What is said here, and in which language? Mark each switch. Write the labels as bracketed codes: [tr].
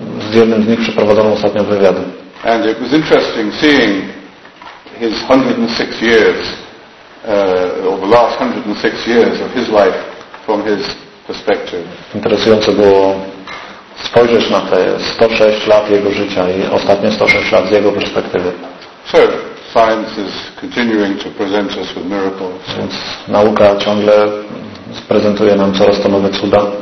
[pl] Z jednym z nich przeprowadzono ostatnio wywiad. [en] And it was interesting seeing his 106 years, or the last 106 years of his life from his perspective. [pl] Interesujące było spojrzeć na te 106 lat jego życia i ostatnie 106 lat z jego perspektywy. [en] So, science is continuing to present us with miracles. [pl] Więc nauka ciągle prezentuje nam coraz to nowe cuda.